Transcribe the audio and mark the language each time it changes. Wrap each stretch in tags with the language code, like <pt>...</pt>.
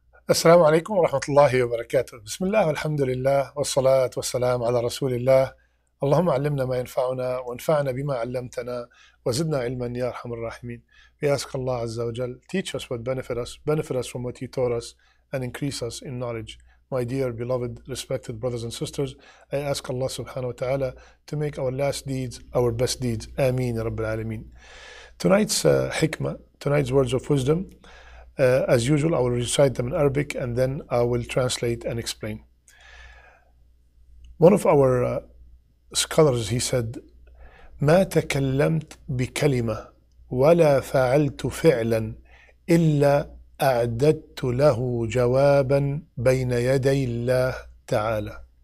<ar>السلام عليكم ورحمة الله وبركاته. بسم الله والحمد لله والصلاة والسلام على رسول الله. اللهم علمنا ما ينفعنا وانفعنا بما علمتنا وزدنا علما يا أرحم الراحمين.</ar> <en>We ask Allah عز وجل, teach us what benefit us from what you taught us and increase us in knowledge. My dear, beloved, respected brothers and sisters, I ask Allah subhanahu wa ta'ala to make our last deeds our best deeds. Ameen ya Rabbil Alameen. Tonight's tonight's words of wisdom, as usual, I will recite them in Arabic and then I will translate and explain. One of our scholars, he said,</en> <ar>ما تكلمت بكلمة ولا فعلت فعلا إلا أعددت له جوابا بين يدي الله تعالى.</ar>